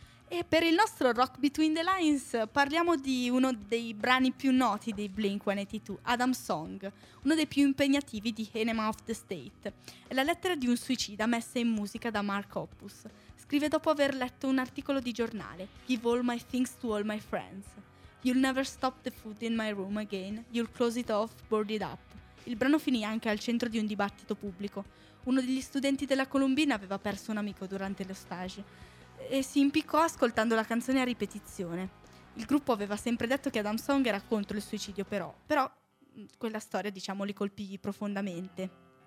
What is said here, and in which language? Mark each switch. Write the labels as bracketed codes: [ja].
[it] E per il nostro Rock Between the Lines parliamo di uno dei brani più noti dei Blink-182, Adam's Song, uno dei più impegnativi di Enema of the State. È la lettera di un suicida messa in musica da Mark Hoppus. Scrive dopo aver letto un articolo di giornale, [en] "Give all my things to all my friends. You'll never stop the food in my room again. You'll close it off, board it up." [it] Il brano finì anche al centro di un dibattito pubblico. Uno degli studenti della Columbine aveva perso un amico durante lo stage, e si impiccò ascoltando la canzone a ripetizione. il gruppo aveva sempre detto che Adam Song era contro il suicidio, però. Però quella storia, diciamo, li colpì profondamente.